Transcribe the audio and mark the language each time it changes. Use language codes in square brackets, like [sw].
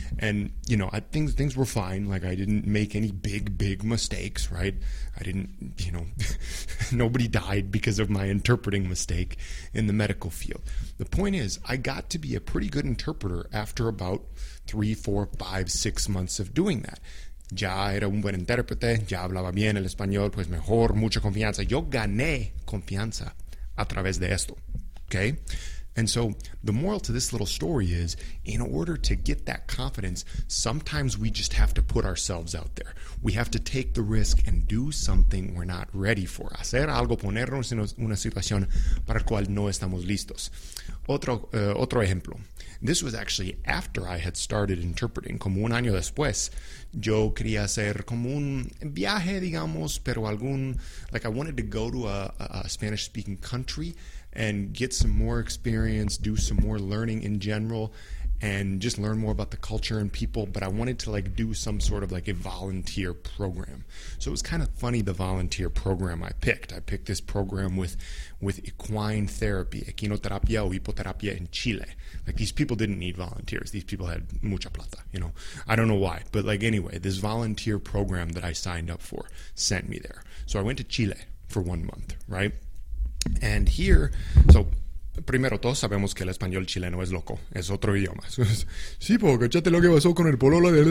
[en] And, you know, things were fine. Like, I didn't make any big mistakes, right? I didn't, you know, nobody died because of my interpreting mistake in the medical field. The point is, I got to be a pretty good interpreter after about 3, 4, 5, 6 months of doing that. [es] Ya era un buen intérprete, ya hablaba bien el español, pues mejor, mucha confianza. Yo gané confianza a través de esto, okay? [en] And so the moral to this little story is, in order to get that confidence, sometimes we just have to put ourselves out there. We have to take the risk and do something we're not ready for. [es] Hacer algo, ponernos en una situación para la cual no estamos listos. Otro ejemplo. [en] This was actually after I had started interpreting. [es] Como un año después, yo quería hacer como un viaje, digamos, pero algún, [en] like I wanted to go to a Spanish-speaking country and get some more experience, do some more learning in general, and just learn more about the culture and people, but I wanted to like do some sort of like a volunteer program. So it was kind of funny, the volunteer program I picked. I picked this program with equine therapy, [es] equinoterapia o hipoterapia [en] in Chile. Like, these people didn't need volunteers. These people had [es] mucha plata, [en] you know. I don't know why, but like anyway, this volunteer program that I signed up for sent me there. So I went to Chile for 1 month, right? And here, so [es] Primero, todos sabemos que el español chileno es loco. Es otro idioma. Sí, po, cachate lo que pasó con el polola.